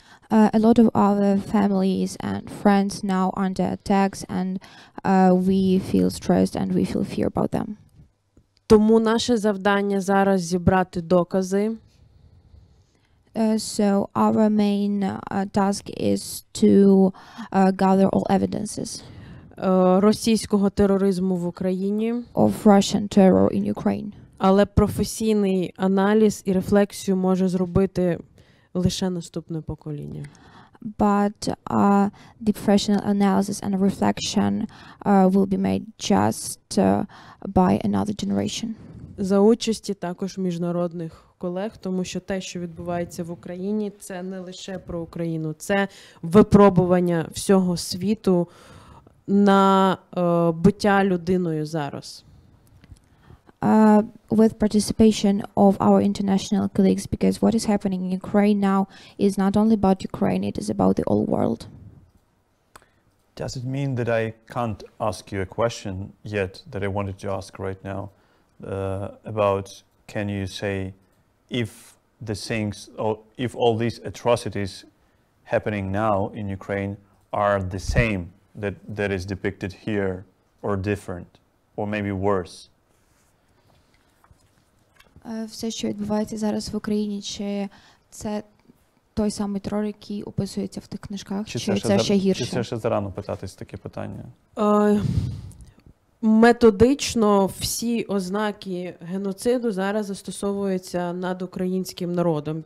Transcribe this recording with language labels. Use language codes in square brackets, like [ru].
[en] A lot of our families and friends now under attacks, and we feel stressed and we feel fear about them. [uk] Тому наше завдання зараз зібрати докази. [en] So our main task is to gather all evidences. [uk] Російського тероризму в Україні. [en] Of Russian terror in Ukraine. [uk] Але професійний аналіз і рефлексію може зробити лише наступне покоління. [en] But the professional analysis and reflection will be made just by another generation. [uk] За участі також міжнародних колег, тому що те, що відбувається в Україні, це не лише про Україну, це випробування всього світу на буття людиною зараз. [en] With participation of our international colleagues, because what is happening in Ukraine now is not only about Ukraine, it is about the whole world. Does it mean that I can't ask you a question yet that I wanted to ask right now about, can you say, if all these atrocities happening now in Ukraine are the same that is depicted here, or different, or maybe worse? [uk] Все, що відбувається зараз в Україні, чи це той самий терор, який описується в тих книжках, чи це ще гірше? Чи це ще зарано питатись таке питання? Методично всі ознаки геноциду зараз застосовуються над українським народом.